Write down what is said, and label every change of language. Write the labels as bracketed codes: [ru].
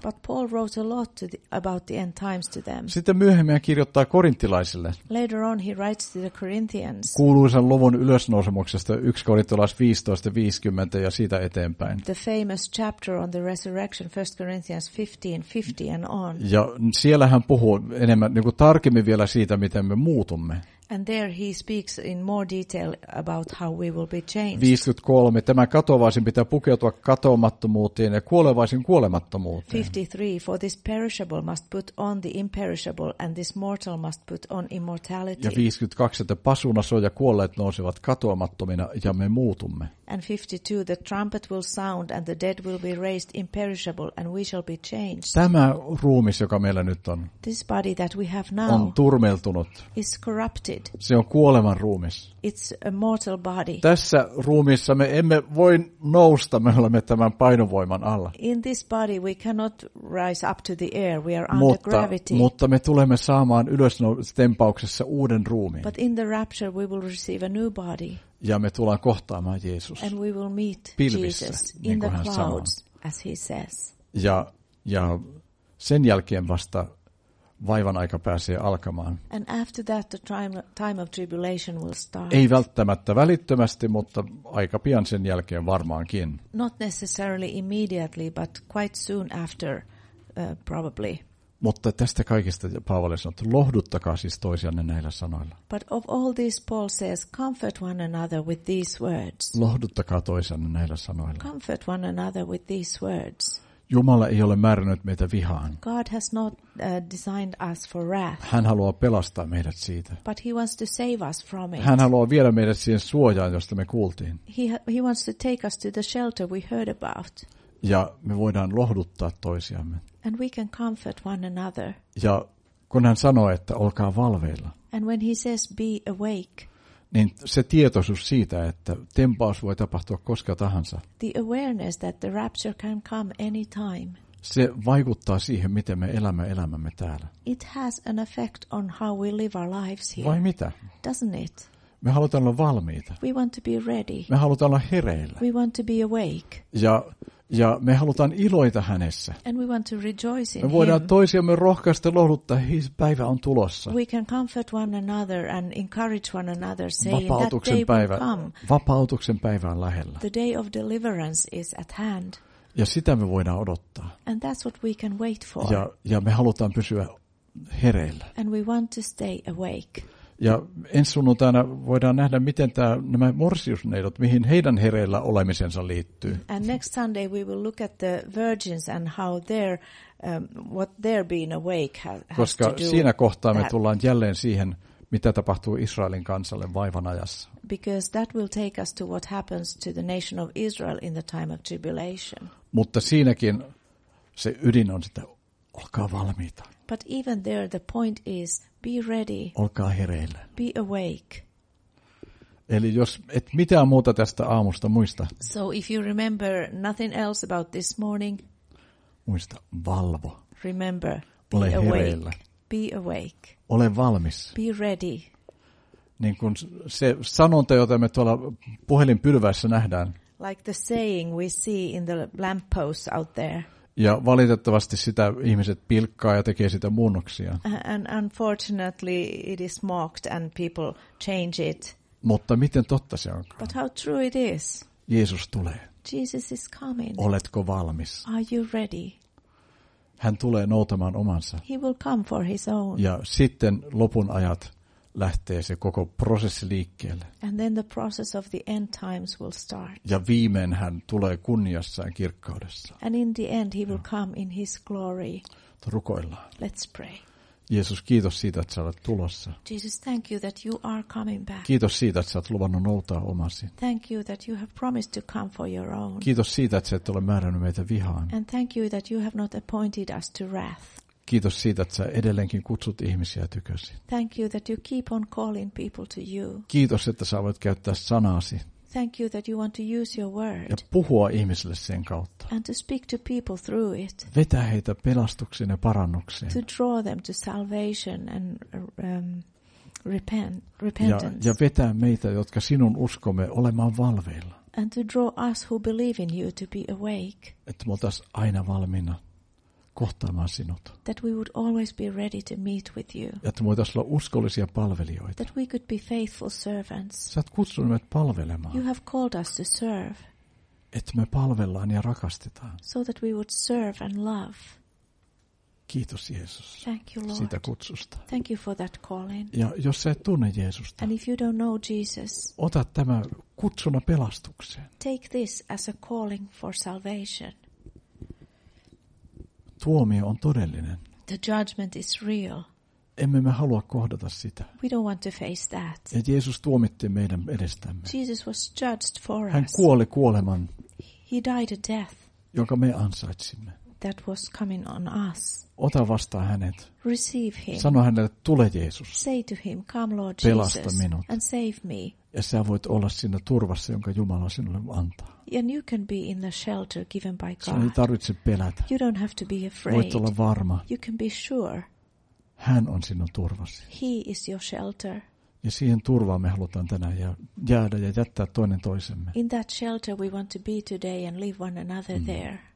[en] But Paul wrote a lot to the, about the end times to them. [fi] Sitten myöhemmin hän kirjoittaa korintilaisille. [en] Later on he writes to the Corinthians. [fi] Kuuluisan luvun ylösnousemuksesta 1 Korintolais 15:50 ja siitä eteenpäin. [en] The famous chapter on the resurrection 1 Corinthians 15:50 and on. [fi] Ja siellä hän puhuu enemmän niin kuin tarkemmin vielä siitä miten me muutumme. [en] And there he speaks in more detail about how we will be changed. [fi] 53. Tämä katoavaisin pitää pukeutua katoamattomuuteen ja kuolevaisin kuolemattomuuteen. [en] 53. For this perishable must put on the imperishable and this mortal must put on immortality. [fi] Ja 52. Että pasuna soi ja kuolleet nousevat katoamattomina ja me muutumme. [en] And 52. The trumpet will sound and the dead will be raised imperishable and we shall be changed. [fi] Tämä ruumis, joka meillä nyt on. [en] This body that we have now. [fi] On turmeltunut. [en] Is corrupted. [fi] Se on kuoleman ruumis. [en] It's a mortal body. [fi] Tässä ruumissa me emme voi nousta, me olemme tämän painovoiman alla. [en] In this body we cannot rise up to the air, we are under gravity. [fi] Mutta me tulemme saamaan ylöstempauksessa uuden ruumiin. [en] But in the rapture we will receive a new body. [fi] Ja me tullaan kohtaamaan Jeesus. [en] And we will meet [fi] pilvissä, [en] Jesus [fi] niin [en] in the clouds, [fi] sanoo. [en] As he says. [fi] Ja sen jälkeen vasta vaivan aika pääsee alkamaan. [en] And after that the time of tribulation will start. [fi] Ei välttämättä välittömästi, mutta aika pian sen jälkeen varmaankin. [en] Not necessarily immediately, but quite soon after, probably. [fi] Mutta tästä kaikesta Paavali sanoo, että lohduttakaa siis toisianne näillä sanoilla. [en] But of all this Paul says, comfort one another with these words. [fi] Lohduttakaa toisianne näillä sanoilla. [en] Comfort one another with these words. [fi] Jumala ei ole määrännyt meitä vihaan. [en] God has not designed us for wrath. [fi] Hän haluaa pelastaa meidät siitä. [en] But he wants to save us from it. [fi] Hän haluaa viedä meidät siihen suojaan, josta me kuultiin. [en] He wants to take us to the shelter we heard about. [fi] Ja me voidaan lohduttaa toisiamme. [en] And we can comfort one another. [fi] Ja kun hän sanoo, että olkaa valveilla. [en] And when he says be awake. [fi] Niin se tietoisuus siitä, että tempaus voi tapahtua koska tahansa. [en] The awareness that the rapture can come anytime. [fi] Se vaikuttaa siihen, miten me elämme elämämme täällä. [en] It has an effect on how we live our lives here. [fi] Vai mitä? [en] Doesn't it? [fi] Me halutaan olla valmiita. [en] We want to be ready. [fi] Me halutaan olla hereillä. [en] We want to be awake. [fi] Ja me halutaan iloita hänessä. [en] And we want to rejoice in [fi] me voidaan [en] him. [fi] Toisiamme rohkaista lohduttaa, his päivä on tulossa. [en] We can comfort one another and encourage one another saying [fi] vapautuksen [en] that day [fi] päivä, [en] will come. [fi] Vapautuksen päivä on lähellä. [en] The day of deliverance is at hand. [fi] Ja sitä me voidaan odottaa. [en] And that's what we can wait for. [fi] Ja me halutaan pysyä hereillä. [en] And we want to stay awake. [fi] Ja ensi sunnuntaina voidaan nähdä, miten nämä morsiusneidot, mihin heidän hereillä olemisensa liittyy. [en] And next Sunday we will look at the virgins and how their what their being awake has to do. [fi] Koska siinä kohtaa me tullaan jälleen siihen, mitä tapahtuu Israelin kansalle vaivan ajassa. [en] Because that will take us to what happens to the nation of Israel in the time of tribulation. [fi] Mutta siinäkin se ydin on, että olkaa valmiita. [en] But even there the point is be ready. [fi] Olkaa hereillä. [en] Be awake. [fi] Eli jos et mitään muuta tästä aamusta muista. [en] So if you remember nothing else about this morning. [fi] Muista valvo. [en] Remember. [fi] Ole [en] be [fi] hereillä. [en] Awake. Be awake. [fi] Ole valmis. [en] Be ready. [fi] Niin kuin se sanonta jota me tuolla puhelinpylväässä nähdään. [en] Like the saying we see in the lamp posts out there. [fi] Ja valitettavasti sitä ihmiset pilkkaa ja tekee sitä muunnoksia. [en] And unfortunately it is mocked and people change it. [fi] Mutta miten totta se on? [en] But how true it is. [fi] Jeesus tulee. [en] Jesus is coming. [fi] Oletko valmis? [en] Are you ready? [fi] Hän tulee noutamaan omansa. [en] He will come for his own. [fi] Ja sitten lopun ajat lähtee se koko prosessi liikkeelle. [en] And then the process of the end times will start. [fi] Ja viimein hän tulee kunniassaan kirkkaudessa. [en] And in the end he will come in his glory. [fi] Rukoillaan. [en] Let's pray. [fi] Jeesus, kiitos siitä, että sä olet tulossa. [en] Jesus, thank you that you are coming back. [fi] Kiitos siitä, että sä olet luvannut noutaa omasi. [en] Thank you that you have promised to come for your own. [fi] Kiitos siitä, että sä et ole määrännyt meitä vihaan. [en] And thank you that you have not appointed us to wrath. [fi] Kiitos siitä, että sä edelleenkin kutsut ihmisiä tykösi. [en] Thank you that you keep on calling people to you. [fi] Kiitos, että sä voit käyttää sanasi. [en] Thank you that you want to use your word. [fi] Ja puhua ihmisille sen kautta. [en] And to speak to people through it. [fi] Vetää heitä pelastuksiin ja parannuksiin. [en] To draw them to salvation and repentance. [fi] Ja vetää meitä, jotka sinun uskomme, olemaan valveilla. [en] And to draw us who believe in you to be awake. [fi] Että me oltaisiin aina valmiina kohtaamaan sinut. [en] That we would always be ready to meet with you. [fi] Että me voitaisiin olla uskollisia palvelijoita. [en] That we could be faithful servants. [fi] Sä oot kutsunut meidät palvelemaan. [en] You have called us to serve. [fi] Että me palvellaan ja rakastetaan. [en] So that we would serve and love. [fi] Kiitos Jeesus. [en] Thank you, Lord. [fi] Siitä kutsusta. [en] Thank you for that calling. [fi] Ja jos sä et tunne Jeesusta. [en] And if you don't know Jesus. [fi] Ota tämä kutsuna pelastukseen. [en] Take this as a calling for salvation. [fi] Tuomio on todellinen. [en] The judgment is real. [fi] Emme me halua kohdata sitä. [en] We don't want to face that. [fi] Et Jeesus tuomitti meidän edestämme. [en] Jesus was judged for [fi] us. Hän kuoli kuoleman. [en] He died a death. [fi] Jonka me ansaitsimme. [en] That was coming on us. [fi] Ota vastaan hänet. [en] Receive him. [fi] Sano hänelle, tule Jeesus. [en] Say to him, come Lord Jesus. [fi] Pelasta minut. [en] And save me. [fi] Ja sä voit olla siinä turvassa, jonka Jumala sinulle antaa. [en] And you can be in the shelter given by God. [fi] Sinun ei tarvitse pelätä. [en] You don't have to be afraid. [fi] Voit olla varma. [en] You can be sure. [fi] Hän on sinun turvasi. [en] He is your shelter. [fi] Ja siihen turvaan me halutaan tänään jäädä ja jättää toinen toisemme. [en] In that shelter we want to be today and leave one another there.